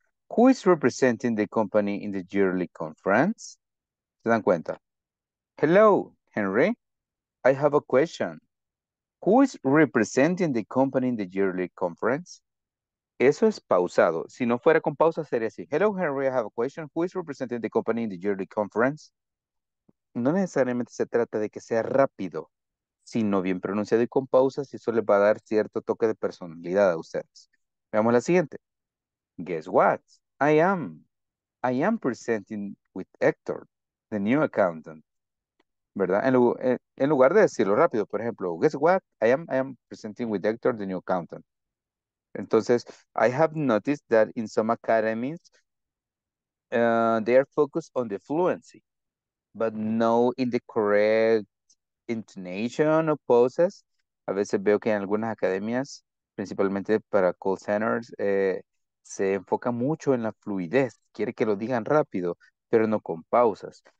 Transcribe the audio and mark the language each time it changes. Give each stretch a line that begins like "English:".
English: Who is representing the company in the yearly conference?
Spanish: ¿Se dan cuenta?
English: Hello, Henry. I have a question. Who is representing the company in the yearly conference?
Spanish: Eso es pausado. Si no fuera con pausa, sería así.
English: Hello, Henry. I have a question. Who is representing the company in the yearly conference?
Spanish: No necesariamente se trata de que sea rápido, sino bien pronunciado y con pausas, y eso les va a dar cierto toque de personalidad a ustedes. Veamos la siguiente.
English: Guess what? I am presenting with Hector, the new accountant.
Spanish: ¿Verdad? En lugar de decirlo rápido, por ejemplo,
English: guess what? I am presenting with Hector, the new accountant. Entonces, I have noticed that in some academies, they are focused on the fluency, but not in the correct intonation of poses.
Spanish: A veces veo que en algunas academias, principalmente para call centers, se enfoca mucho en la fluidez, quiere que lo digan rápido, pero no con pausas.